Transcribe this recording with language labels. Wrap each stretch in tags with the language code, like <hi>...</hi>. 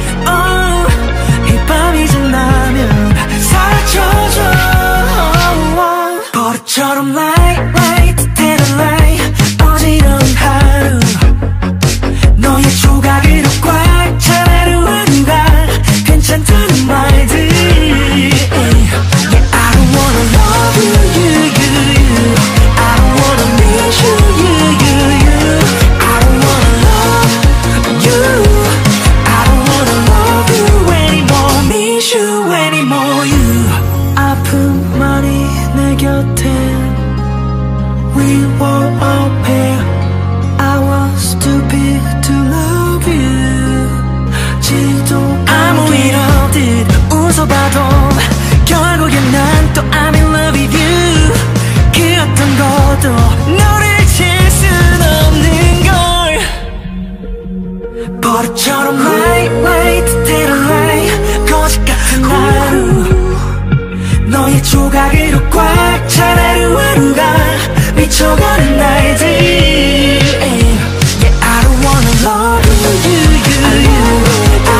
<ko>Oh, 이 밤이 지나면 사라져줘.</ko> <en>Oh, oh, oh.</en> <ko>버릇처럼</ko> <en>light, light, tell a light.</en> <ko>어지러운 하루 너의 조각으로 꽉 찬 하루하루가 괜찮다는 말들.</ko> <en>Yeah, I don't wanna love you, you, you, you. I don't wanna miss you, you, you, you. I don't wanna love you. I don't wanna love you anymore. Miss you anymore, you.</en> <ko>아픈 말이 내 곁에.</ko> <en>We were a pair. I was stupid to love you.</en> <ko>아무 일 없듯 웃어봐도 결국엔 난 또</ko> <en>I'm in love with you.</en> <ko>그 어떤 것도 너를 잊을 순 없는 걸. 버릇처럼</ko> <en>light, light, tell a light.</en> <ko>거짓 같은 하루 너의 조각으로 꽉 찬 하루하루가 미쳐가는 날들.</ko> <en>Yeah, I don't wanna love you, you, you.</en>